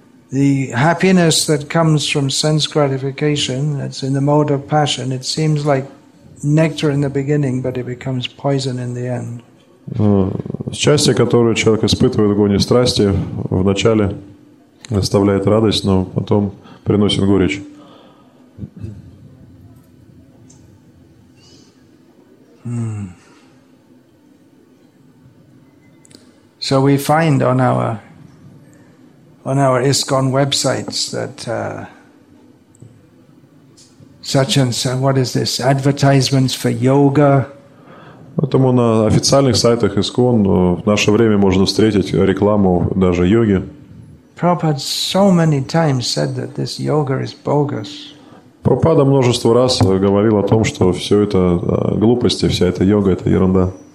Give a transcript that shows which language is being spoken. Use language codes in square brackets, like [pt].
[en] The happiness that comes from sense gratification, that's in the mode of passion, it seems like nectar in the beginning, but it becomes poison in the end. [ru] Счастье, которое человек испытывает в гоне страсти, в начале оставляет радость, но потом приносит горечь. [en] So we find on our ISKCON websites that such and such, what is this, advertisements for yoga. [ru] Поэтому на официальных сайтах ISKCON в наше время можно встретить рекламу даже йоги. [en] Prabhupada so many times said that this yoga is bogus. [ru] Прабхупада множество раз говорил о том, что все это глупости, вся эта йога — это ерунда.